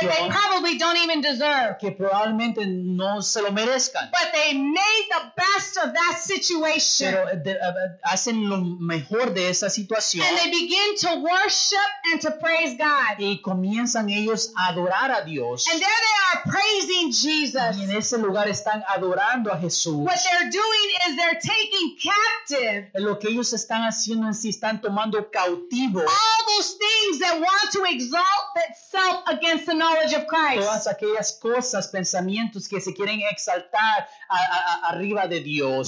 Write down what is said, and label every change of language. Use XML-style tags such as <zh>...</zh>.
<en>that they probably don't even deserve,</en> <es>que probablemente no se lo merezcan.</es> <en>But they made the best of that situation,</en> <es>pero hacen lo mejor de esa situación,</es> <en>and they begin to worship and to praise God,</en> <es>y comienzan ellos a adorar a Dios,</es> <en>and there they are praising Jesus.</en> <es>Y en ese lugar están adorando a Jesús.</es> <en>What they're doing is they're taking captive.</en> <es>Lo que ellos están haciendo en sí, están tomando cautivo.</es> <en>All those things that want to exalt itself against the knowledge of Christ.</en> <es>Todas aquellas cosas, pensamientos que se quieren exaltar arriba de Dios.</es>